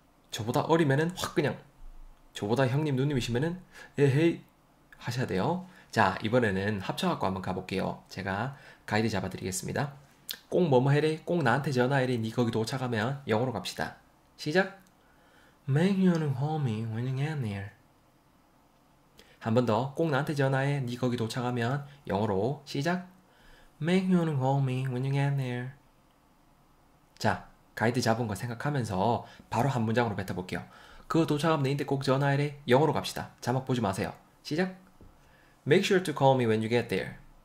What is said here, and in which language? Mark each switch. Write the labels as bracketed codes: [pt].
[ko] 저보다 어리면은 확 그냥 저보다 형님 누님이시면은 에헤이 하셔야 돼요. 자, 이번에는 합쳐갖고 한번 가볼게요. 제가 가이드 잡아드리겠습니다. 꼭 뭐뭐 해래, 꼭 나한테 전화해래, 네 거기 도착하면 영어로 갑시다. 시작. [en] Make you call me when you get near. [ko] 한번더꼭 나한테 전화해. 네 거기 도착하면 영어로 시작. [en] Make you call me when you get there. [ko] 자, 가이드 잡은 거 생각하면서 바로 한 문장으로 뱉어볼게요. 그 도착하면 내인데 꼭 전화해래. 영어로 갑시다. 자막 보지 마세요. 시작. [en] Make sure to call me when you get there.